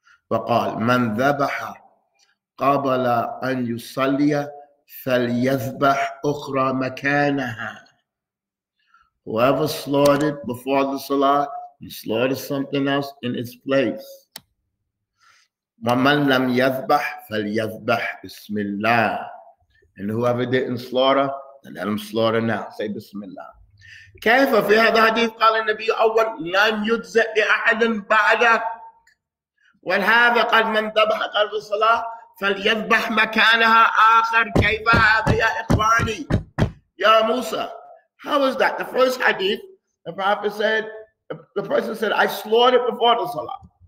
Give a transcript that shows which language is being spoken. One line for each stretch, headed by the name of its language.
Arabic: وقال من ذبح قبل أن يصلي فليذبح أخرى مكانها.
English: Whoever slaughtered before the salah, he slaughtered something else in its place.
Arabic: ومن لم يذبح فليذبح بسم الله.
English: And whoever didn't slaughter, then let him slaughter now. Say بسم الله.
Arabic: كيف في هذا الحديث قال النبي أول لن يجزئ لأحد بعدك. والهذا قال من ذبح قبل الصلاة فليذبح مكانها آخر. كيف هذا يا إخواني يا موسى؟
English: How is that? The first hadith, the prophet said, the person said, I slaughtered before the salah.